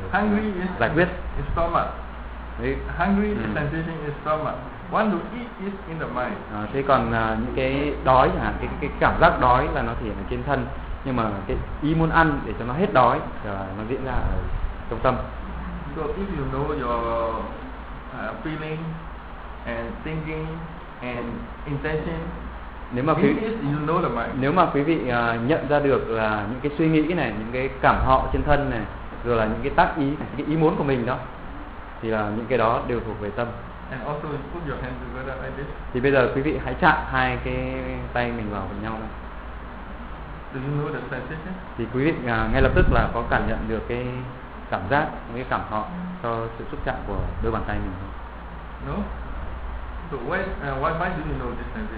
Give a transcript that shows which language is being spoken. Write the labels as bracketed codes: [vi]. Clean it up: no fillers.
[en] hungry [vi] giải quyết. [en] Hungry is stomach. Hungry sensation is stomach. Want to eat is in the mind. [vi] Thế còn những cái đói hả? Cái cảm giác đói là nó thể hiện trên thân, nhưng mà cái ý muốn ăn để cho nó hết đói là nó diễn ra ở trong tâm. [en] So if you know your feeling and thinking and intention. [vi] Nếu mà quý [en] vị, you know the mind. [vi] Nếu mà quý vị nhận ra được là những cái suy nghĩ này, những cái cảm thọ trên thân này, rồi là những cái tác ý, cái ý muốn của mình đó, thì là những cái đó đều thuộc về tâm. [en] And also put your hands together like this. [vi] Thì bây giờ quý vị hãy chạm hai cái tay mình vào với nhau này. [en] Do you know the sensation? [vi] Thì quý vị ngay lập tức là có cảm nhận được cái cảm giác, cái cảm thọ cho sự xúc chạm của đôi bàn tay mình không? [en] No. So why do you know this sensation?